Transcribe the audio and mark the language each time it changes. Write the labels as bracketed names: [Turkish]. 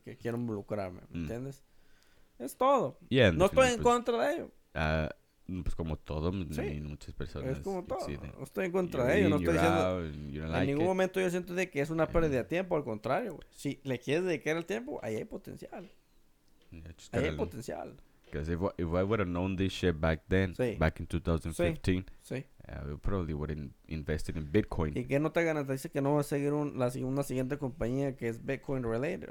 [Spanish] Que quiero involucrarme, ¿me entiendes? Es todo. [English] Yeah, [Spanish] no estoy en contra de ello. Pues como todo, sí. Muchas personas. Es como todo. Sí, no estoy en contra de ello. No estoy diciendo. En ningún momento yo siento de que es una pérdida de tiempo. Al contrario, güey. Si le quieres dedicar el tiempo, ahí hay potencial. Ahí hay potencial. [English] Because if I would have known this shit back then, sí. Back in 2015, [Spanish] sí. Sí. [English] I probably would have invested in Bitcoin. [Spanish] ¿Y qué no te garantiza que no va a seguir una siguiente compañía que es Bitcoin related?